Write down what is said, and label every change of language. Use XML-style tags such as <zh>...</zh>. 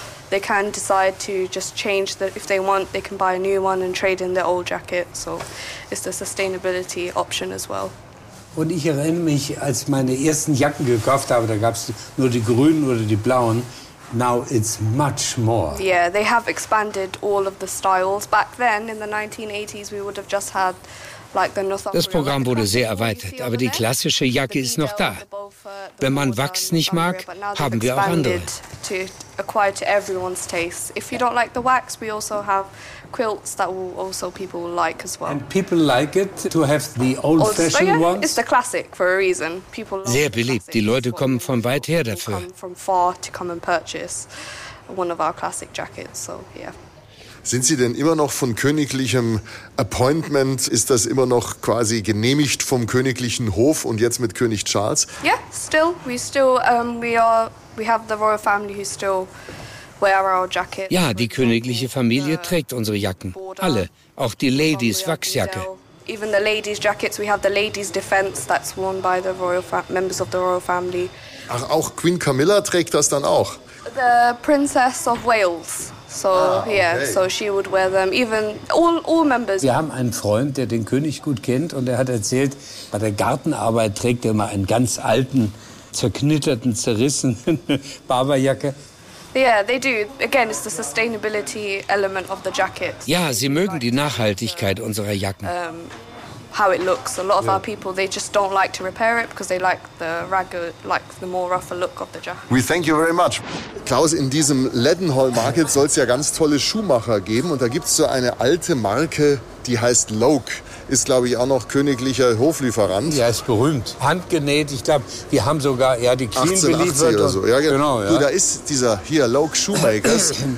<en>They can decide to just change that if they want. They can buy a new one and trade in their old jacket. So, it's the sustainability option as well.</en> <de>Und ich erinnere mich, als ich meine ersten Jacken gekauft habe, da gab es nur die grünen oder die blauen.</de> <en>Now it's much more. Yeah, they have expanded all of the styles. Back then, in the 1980s, we would have just had...</en> <de>Das Programm wurde sehr erweitert, aber die klassische Jacke ist noch da. Wenn man Wachs nicht mag, haben wir auch andere.</de> <en>If you don't like the wax, we also have quilts that will also people will like as well. And people like it to have the old fashioned ones. It's the classic for a reason. People love.</en> <de>Sehr beliebt. Die Leute kommen von weit her dafür.</de> <en>From far to come and purchase one of our classic jackets. So yeah.</en> <de>Sind Sie denn immer noch von königlichem Appointment? Ist das immer noch quasi genehmigt vom königlichen Hof und jetzt mit König Charles?</de> <en>Yeah, still. We have the royal family who still wear our jackets.</en> <de>Ja, die königliche Familie trägt unsere Jacken. Alle, auch die Ladies Wachsjacke.</de> <en>Even the ladies jackets, we have the ladies defense that's worn by the royal members of the royal family.</en> <de>Ach, auch Queen Camilla trägt das dann auch.</de> <en>The Princess of Wales. She would wear them, even all members.</en> <de>Wir haben einen Freund, der den König gut kennt, und er hat erzählt, bei der Gartenarbeit trägt er immer einen ganz alten, zerknitterten, zerrissenen Barberjacke.</de> <en>Yeah, they do. Again, it's the sustainability element of the jacket.</en> <de>Ja, sie mögen die Nachhaltigkeit unserer Jacken.</de> <en>How it looks. A lot of our people, they just don't like to repair it because they like the ragged, like the more rougher look of the jacket. We thank you very much.</en> <de>Klaus, in diesem Leadenhall Market soll es ja ganz tolle Schuhmacher geben. Und da gibt es so eine alte Marke, die heißt Loke. Ist, glaube ich, auch noch königlicher Hoflieferant. Ja, ist berühmt. Handgenäht, ich glaube, die haben sogar ja, die Queen 1880 beliefert. 1880 oder so. Ja, genau. Ja. Du, da ist dieser hier, Loke Shoemakers.</de>